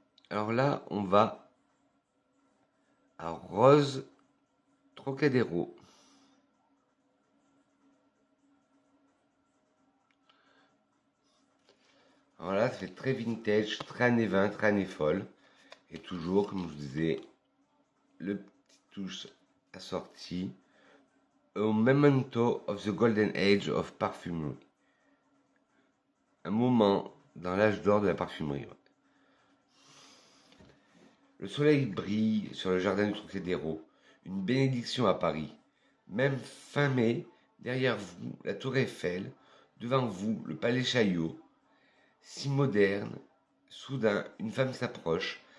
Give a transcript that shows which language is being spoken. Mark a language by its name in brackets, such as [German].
[French] Alors là, on va à Rose Trocadéro. Alors là, ça fait très vintage, très années 20, très années folle. Et toujours, comme je vous disais, le petit touche assorti. [English] A memento of the golden age of perfumery. [French] Un moment dans l'âge d'or de la parfumerie. Ouais. Le soleil brille sur le jardin du Trocadéro. Une bénédiction à Paris. Même fin mai, derrière vous, la tour Eiffel. Devant vous, le palais Chaillot. Si moderne, soudain, une femme s'approche.